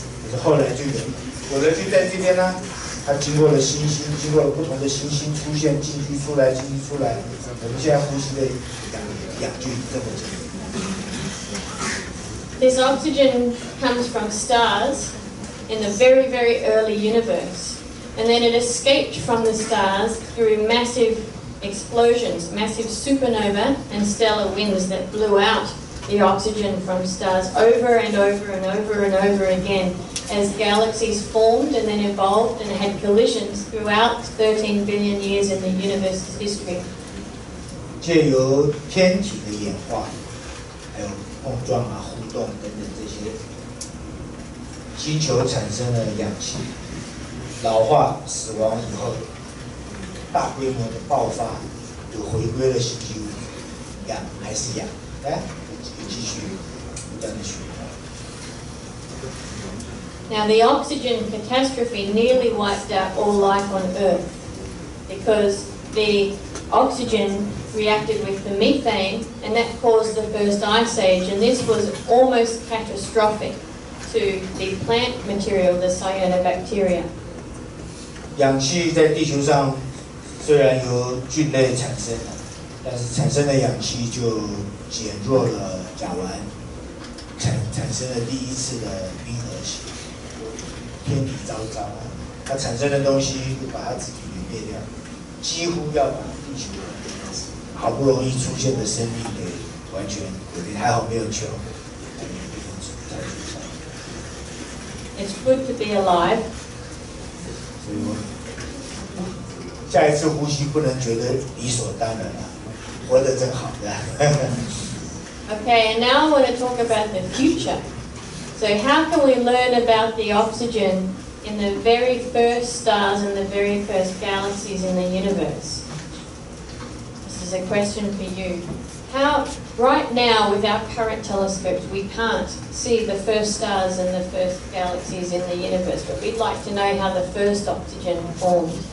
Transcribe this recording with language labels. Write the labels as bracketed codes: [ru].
[zh] 可是后来就有，有的就在这边呢、啊。它经过了星星，经过了不同的星星出现，继续出来，继续出来。我们现在呼吸的氧就这么久。 [en] This oxygen comes from stars in the very, very early universe. And then it escaped from the stars through massive explosions, massive supernova and stellar winds that blew out the oxygen from stars over and over and over and over again as galaxies formed and then evolved and had collisions throughout 13 billion years in the universe's history. [zh] 借由天体的演化碰撞啊、互动等等这些，星球产生了氧气，老化、死亡以后，大规模的爆发，又回归了星际物理，氧还是氧，哎，继续不断的循环。 [en] Now the oxygen catastrophe nearly wiped out all life on Earth because the oxygen. Reacted with the methane, and that caused the first ice age. And this was almost catastrophic to the plant material, the cyanobacteria. [zh] 氧气在地球上虽然由菌类产生，但是产生的氧气就减弱了甲烷，产生了第一次的冰河期。天体昭昭啊，它产生的东西就把它自己给灭掉，几乎要把地球。好不容易出现的生命给完全毁灭，还好没有球。 [en] It's good to be alive. [zh] 所以我下一次呼吸不能觉得理所当然了，活得真好的。 [en] Okay, and now I want to talk about the future. So how can we learn about the oxygen in the very first stars and the very first galaxies in the universe? Is a question for you. How, right now, with our current telescopes, we can't see the first stars and the first galaxies in the universe, but we'd like to know how the first oxygen formed.